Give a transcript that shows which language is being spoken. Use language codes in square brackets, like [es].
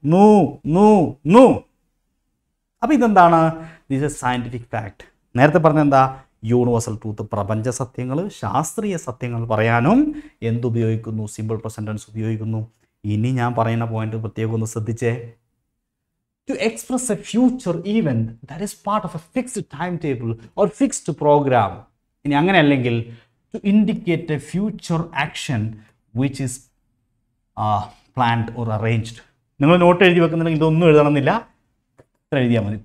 [ml] നൂ നൂ നൂ. അപ്പോൾ ഇതെന്താണ്? [en] This a scientific fact. [ml] നേരത്തെ പറഞ്ഞെന്താ, യൂണിവേഴ്സൽ ട്രൂത്ത്, പ്രപഞ്ച സത്യങ്ങൾ, ശാസ്ത്രീയ സത്യങ്ങൾ പറയാനും എന്തുപയോഗിക്കുന്നു, സിമ്പിൾ പ്രസന്റ് ടെൻസ് ഉപയോഗിക്കുന്നു. ഇനി ഞാൻ പറയുന്ന പോയിന്റ് പ്രത്യേകം ഒന്ന് ശ്രദ്ധിച്ചേ. [en] To express a future event that is part of a fixed timetable or fixed program. [ml] ഇനി അങ്ങനെ അല്ലെങ്കിൽ [en] to indicate a future action which is planned or arranged. [ml] നിങ്ങൾ നോട്ട് എഴുതി വെക്കുന്നുണ്ടെങ്കിൽ ഇതൊന്നും എഴുതണമെന്നില്ല, ഇത്ര എഴുതിയാൽ മതി.